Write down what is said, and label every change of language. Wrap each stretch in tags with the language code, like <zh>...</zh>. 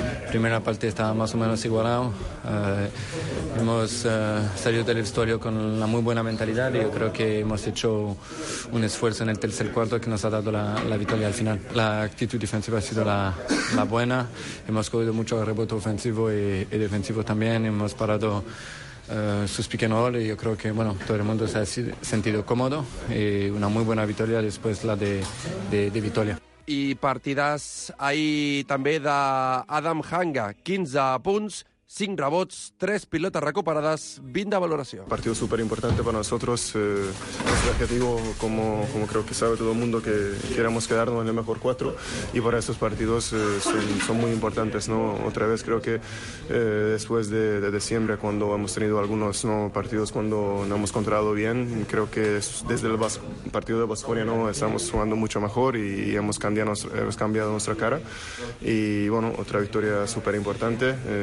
<es>Primera parte estaba más o menos igualado. Hemos salido del vestuario con una muy buena mentalidad y yo creo que hemos hecho un esfuerzo en el tercer cuarto que nos ha dado la victoria al final. La actitud defensiva ha sido la buena. Hemos cogido mucho rebote ofensivo y defensivo también. Hemos parado sus pick and roll y yo creo que bueno, todo el mundo se ha sentido cómodo y una muy buena victoria después la de Vitoria.</es> <ca>I partidas ahí també de Adam Hanga, 15 punts, 5 rebots, 3 pilotes recuperades, 20 de valoració.</ca> <es>Partido súper importante para nosotros, nuestro objetivo, como creo que sabe todo el mundo, que queremos quedarnos en el mejor 4 y para esos partidos son muy importantes, ¿no? Otra vez creo que después de diciembre, cuando hemos tenido algunos, ¿no?, partidos cuando no hemos controlado bien, creo que desde el partido de Basconia, ¿no?, estamos jugando mucho mejor y hemos cambiado nuestra cara y bueno, otra victoria súper importante.</es>